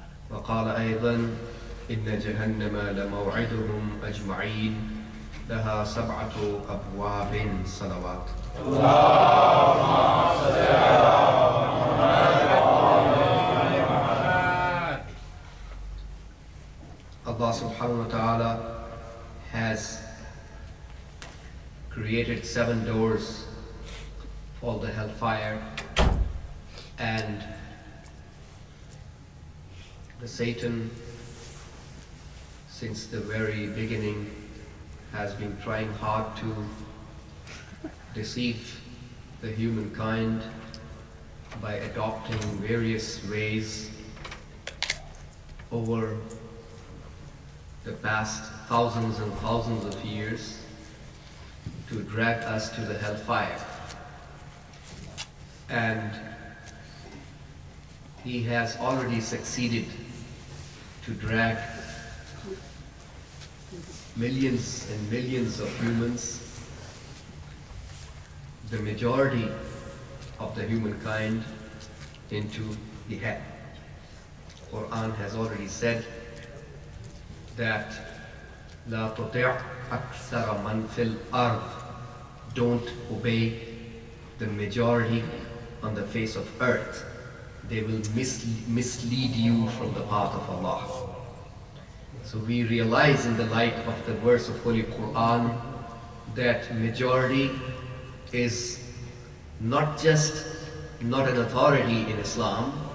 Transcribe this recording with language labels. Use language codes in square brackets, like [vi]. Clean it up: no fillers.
[ar] وقال أيضا: إن جهنم لموعدهم أجمعين لها سبعة أبواب. صلوات. اللهم صل على محمد وآل محمد. [en] الله سبحانه وتعالى has created seven doors for the hellfire and the Satan. Since the very beginning has been trying hard to deceive the humankind by adopting various ways over the past thousands and thousands of years to drag us to the hellfire. And he has already succeeded to drag millions and millions of humans, the majority of the humankind, into the hell. Quran has already said that [ar] لَا تُطِعْ أَكْثَرَ مَنْ فِي الْأَرْضِ. [en] Don't obey the majority on the face of earth. They will mislead you from the path of Allah. So we realize in the light of the verse of Holy Quran that majority is not just not an authority in Islam.